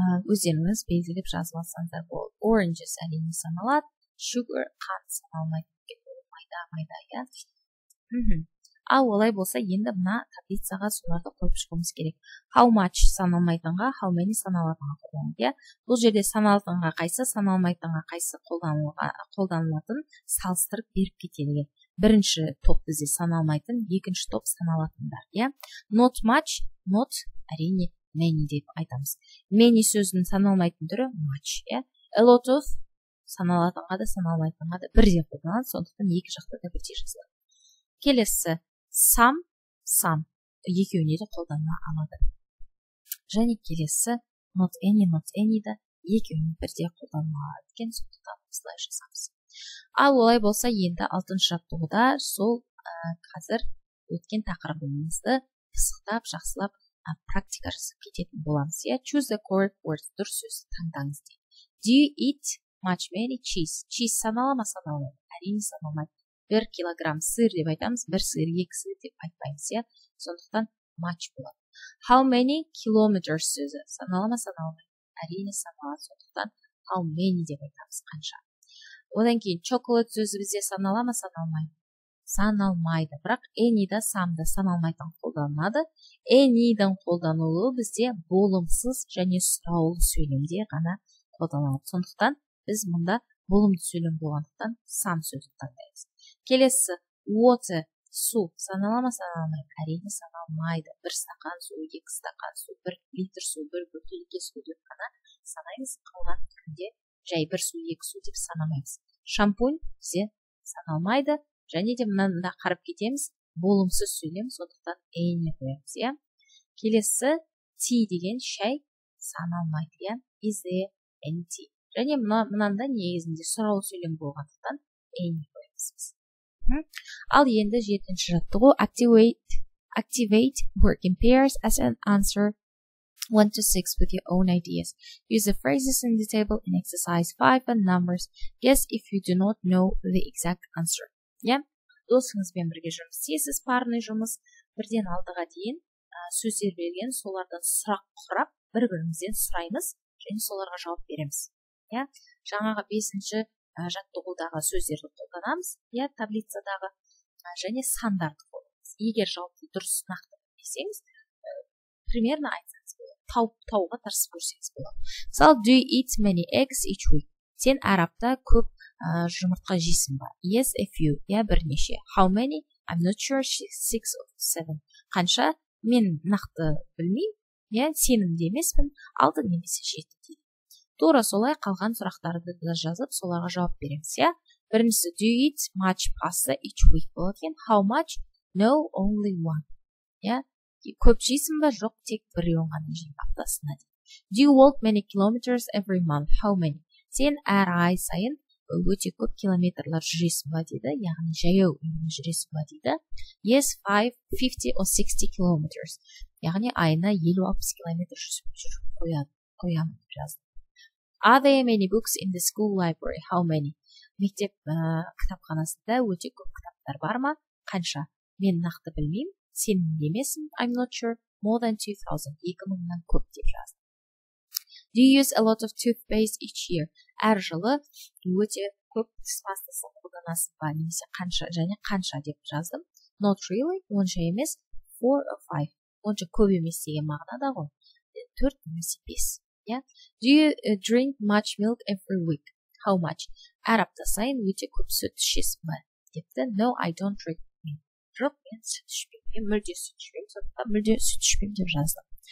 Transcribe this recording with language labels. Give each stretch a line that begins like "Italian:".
Kazakh: Өздеріңіз белгілеп жазып алсаңдар болады. Oranges әрине саналады. Sugar қант саналмайды. Майда майда, ал олай болса енді мына таблицаға соларды қойып шығуымыз керек.
English: How much
Kazakh: саналмайтынға,
English: how many
Kazakh: саналатынға қолданылады. Бұл жерде саналатынға қайсы, саналмайтынға қайсы қолданылатын салыстырып беріп кетеді. Бірінші топ бізде саналмайтын, екінші топ саналатындар. Not much, not әрине many деп айтамыз. Many сөзінің саналмайтын түрі much. A lot of саналатынға да саналмайтынға да бірдей қолданылады, сондықтан екі жақта да бірдей жазылады. Келесі some екеуіне де қолданыла алады. Және келесі not any, not any да екеуіне бірдей қолданыла алады екен, сондықтан осылай жазамыз. Ал олай болса енді алтыншы жаттығуда сол қазір өткен тақырыбымызды пысықтап, жақсылап практика жасап кететін боламыз.
English: Choose the correct words.
Kazakh: Дұрыс сөз таңдаңыз.
English: Do you eat much many cheese?
Kazakh: Cheese санала ма санала ма? Әрине санамай. 1 килограмм сыр деп айтамыз, 1 сыр, 2 сыр деп айтпаймыз. Сондықтан much болады. How many kilometers сөзі? Санала ма санала ма? Әрине санала. Сондықтан how many деп айтамыз, қанша. Одан кейін chocolate сөзі бізде санала ма саналмай? Саналмайды. Бірақ any-да some-да саналмайтын қолданылады. Any-дің қолданылуы бізде болымсыз және сұраулы сөйлемде ғана қолданылады. Сондықтан біз мұнда болымды сөйлем болғандықтан some сөзді таңдаймыз. Келесі water, су санала ма саналмай? Әрине саналмайды. Бір стақан су, екі стақан су, бір литр су, бір бөтелке су деп қана санаймыз. Қалған күнде жай бір су, екі су деп санамаймыз. Шампунь бізде саналмайды. Және де мынанда қарап кетеміз, болымсыз сөйлем, сондықтан any қоямыз. Келесі tea деген шай саналмайды.
English: Is there any tea?
Kazakh: Және мынанда негізінде сұраулы сөйлем болғандықтан any қоямыз. Ал енді жетінші жаттығу
English: activate work in pairs as an answer 1 to 6 with your own ideas. Use the phrases in the table in exercise 5 and numbers. Guess if you do not know the exact answer.
Kazakh: Досыңызбен бірге жұмыс істейсіз, парный жұмыс. Бірден алтыға дейін сөздер берген, солардан сұрақ құрап, бір-бірімізден сұраймыз және соларға жауап береміз. Жаңағы 5-ші жаттығудағы сөздерді қолданамыз, таблицадағы және сандарды қолданамыз. Егер жауапты дұрыс нақты білсеңіз, примерно айтсаңыз болады. Тауға тырысып көрсеңіз болады. Мысалы,
English: do you eat many eggs each week?
Kazakh: Сен әр апта көп жұмыртқа жейсің ба?
English: Yes, a few.
Kazakh: Бірнеше.
English: How many? I'm not sure. 6 or 7.
Kazakh: Қанша? Мен нақты білмеймін. Сенімді емеспін. 6 немесе 7 дейді. Тура солай қалған сұрақтарды да жазып, соларға жауап береміз. Бірінші,
English: do you eat much pasta each week?
Kazakh: Болатын.
English: How much? No, only one.
Kazakh: Көп жейсің ба? Жоқ, тек бір оңғаны жейін аптасына.
English: Do you walk many kilometers every month? How many?
Kazakh: Сен әр ай сайын өте көп километрлар жүресі ба дейді, яғни жаяу жүресі ба дейді.
English: Yes, 50 or 60 kilometers.
Kazakh: Яғни айына 50-60 километр жүресіп жүріп қоямын жазды.
English: Are there many books in the school library? How many?
Kazakh: Мектеп кітапханасында өте көп кітаптар бар ма? Қанша? Мен нақты білмейм. Сен немесін?
English: I'm not sure. More than 2000.
Kazakh: 2000-нан көп деп жазды.
English: Do you use a lot of toothpaste each year?
Kazakh: Әр жылы өте көп тіс пастасын қолданасың ба, немесе қанша, және қанша деп жаздым.
English: Not really,
Kazakh: онша емес,
English: 4 or 5.
Kazakh: Онша көп емес деген мағынада ғой. 4 немесе 5.
English: Do you drink much milk every week? How much?
Kazakh: Әр апта сайын өте көп сүт ішесің ба, депті.
English: No, I don't drink milk.
Kazakh: Жоқ, мен сүт ішпеймін, мүлде сүт ішпеймін, сондықтан мүлде сүт ішпеймін деп жаздым.